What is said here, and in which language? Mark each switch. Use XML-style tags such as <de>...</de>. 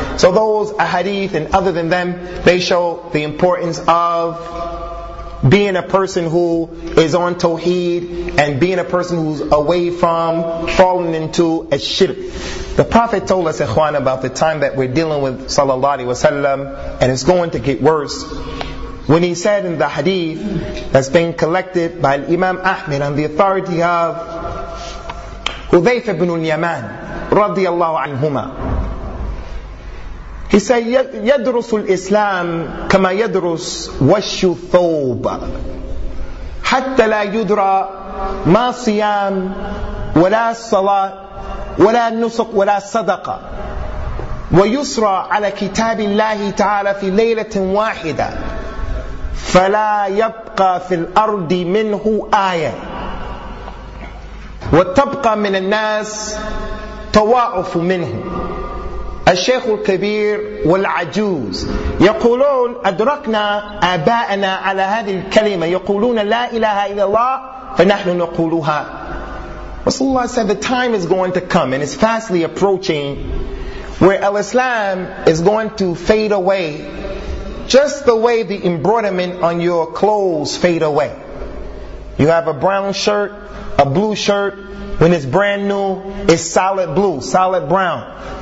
<en>So those ahadith and other than them, they show the importance of being a person who is on tawheed and being a person who's away from falling into a shirk. The Prophet told us, ikhwan, about the time that we're dealing with sallallahu alaihi wasallam, and it's going to get worse. When he said in the hadith that's been collected by Imam Ahmed on the authority of Hudhayfa ibn al-Yaman radiyallahu anhuma, he said,</en> <ar>يدرس الإسلام كما يدرس وش الثوب حتى لا يدرى ما صيام ولا صلاة ولا نسك ولا صدقة ويسرى على كتاب الله تعالى في ليلة واحدة فلا يبقى في الأرض منه آية وتبقى من الناس توعف منه الشيخ الكبير والعجوز يقولون أدركنا آباءنا على هذه الكلمة يقولون لا إله إلا الله فنحن نقولها.</ar> <en>Rasulullah said the time is going to come and it's fastly approaching where al-Islam is going to fade away, just the way the embroiderment on your clothes fade away. You have a brown shirt, a blue shirt. When it's brand new, it's solid blue, solid brown.</en>